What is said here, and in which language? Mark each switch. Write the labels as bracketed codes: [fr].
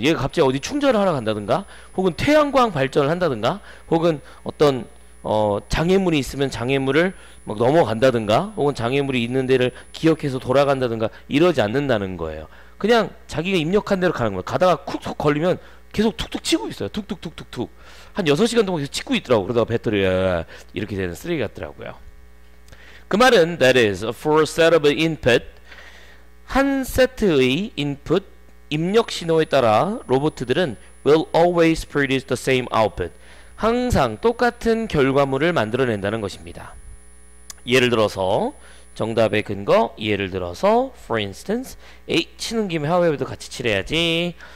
[ko] 얘가 갑자기 어디 충전을 하러 간다든가, 혹은 태양광 발전을 한다든가, 혹은 어떤 장애물이 있으면 장애물을 막 넘어간다든가, 혹은 장애물이 있는 데를 기억해서 돌아간다든가 이러지 않는다는 거예요. 그냥 자기가 입력한 대로 가는 거예요. 가다가 쿡쿡 걸리면 계속 툭툭 치고 있어요. 툭툭툭툭툭 한 6시간 동안 계속 치고 있더라고. 그러다가 배터리 이렇게 되는 쓰레기 같더라고요. 그 말은 [en] that is for a set of input. [ko] 한 세트의 인풋, 입력 신호에 따라 로봇들은 [en] will always produce the same output. [ko] 항상 똑같은 결과물을 만들어낸다는 것입니다. 예를 들어서, 정답의 근거, 예를 들어서, [en] for instance, [ko] 에이, 치는 김에 however도 같이 칠해야지.